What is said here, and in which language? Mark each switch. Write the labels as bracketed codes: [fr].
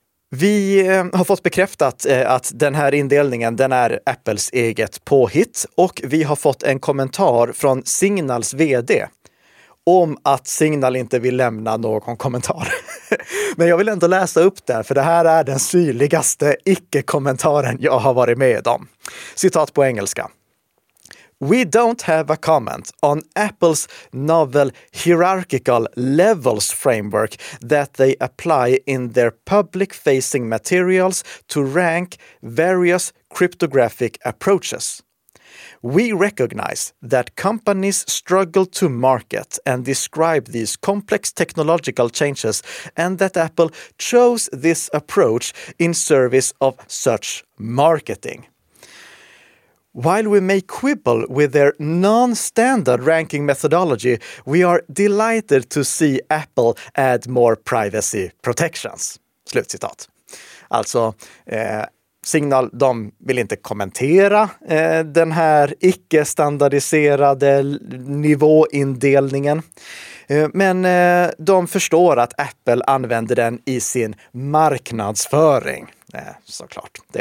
[sv] Vi har fått bekräftat att den här indelningen, den är Apples eget påhitt, och vi har fått en kommentar från Signals vd om att Signal inte vill lämna någon kommentar. Men jag vill ändå läsa upp det, för det här är den syrligaste icke-kommentaren jag har varit med om. Citat på engelska. [en] We don't have a comment on Apple's novel hierarchical levels framework that they apply in their public-facing materials to rank various cryptographic approaches. We recognize that companies struggle to market and describe these complex technological changes, and that Apple chose this approach in service of such marketing. While we may quibble with their non-standard ranking methodology, we are delighted to see Apple add more privacy protections. [sv] Slutcitat. Alltså, Signal, de vill inte kommentera den här icke-standardiserade nivåindelningen. Men de förstår att Apple använder den i sin marknadsföring, såklart.